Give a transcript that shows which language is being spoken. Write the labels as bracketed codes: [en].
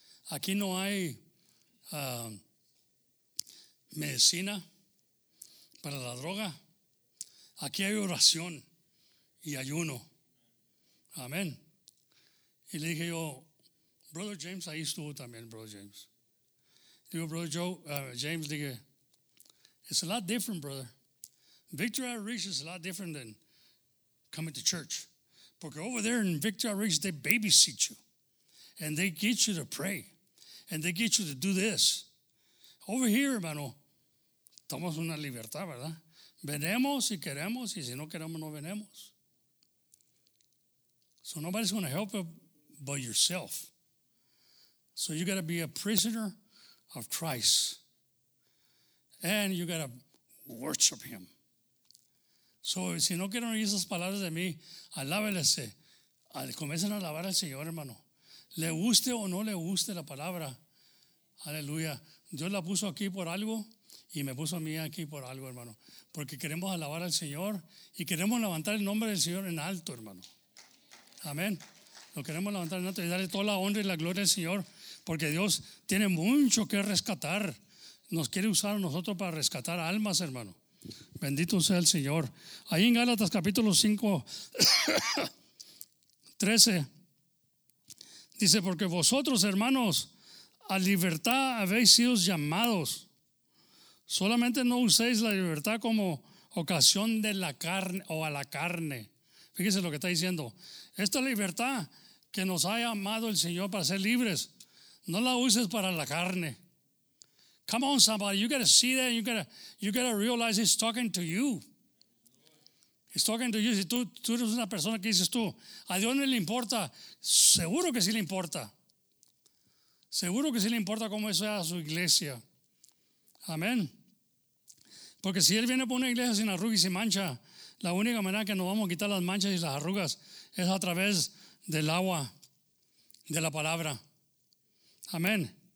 [es] Aquí no hay medicina para la droga. Aquí hay oración y ayuno. Amén. Y le dije yo, Brother James, ahí estuvo también, Brother James. Digo, [en] Brother Joe, James, [es] dije, [en] it's a lot different, brother. Victory Outreach is a lot different than coming to church. [es] Porque [en] over there in Victory Outreach, they babysit you. And they get you to pray. And they get you to do this. Over here, [es] hermano, tomamos una libertad, ¿verdad? Venemos si queremos, y si no queremos, no venemos. [en] So nobody's going to help you but yourself. So you got to be a prisoner of Christ. And you got to worship him. So [es] si no quieren oír esas palabras de mí, alábelese. Comiencen a alabar al Señor, hermano. Le guste o no le guste la palabra. Aleluya. Dios la puso aquí por algo y me puso a mí aquí por algo, hermano. Porque queremos alabar al Señor y queremos levantar el nombre del Señor en alto, hermano. Amén. Lo queremos levantar en alto y darle toda la honra y la gloria al Señor. Porque Dios tiene mucho que rescatar. Nos quiere usar a nosotros para rescatar almas, hermano. Bendito sea el Señor. Ahí en Gálatas capítulo 5, 13, dice, porque vosotros, hermanos, a libertad habéis sido llamados. Solamente no uséis la libertad como ocasión de la carne o a la carne. Fíjese lo que está diciendo. Esta libertad que nos ha llamado el Señor para ser libres, no la uses para la carne. [en] Come on, somebody. You got to see that. You got to realize it's talking to you. It's talking to you. [es] Si tú eres una persona que dices tú, a Dios no le importa, seguro que sí le importa. Seguro que sí le importa cómo eso es a su iglesia. Amén. Porque si Él viene por una iglesia sin arrugas y sin mancha, la única manera que nos vamos a quitar las manchas y las arrugas es a través del agua, de la palabra. Amén.